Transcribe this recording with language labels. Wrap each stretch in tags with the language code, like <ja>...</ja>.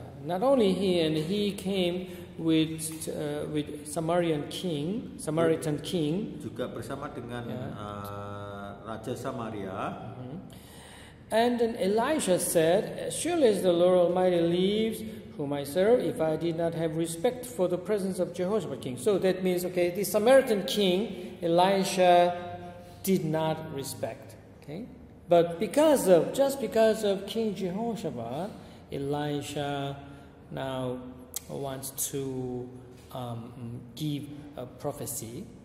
<en>Not only he, and he came with Samarian king, Samaritan king.</en> <id>Juga bersama dengan Raja Samaria.</id> <en>And then Elisha said, "Surely as the Lord Almighty lives, whom I serve, if I did not have respect for the presence of Jehoshaphat king." So that means, okay, the Samaritan king, Elisha, did not respect. Okay? But because of King Jehoshaphat, Elisha now wants to give a prophecy.</en>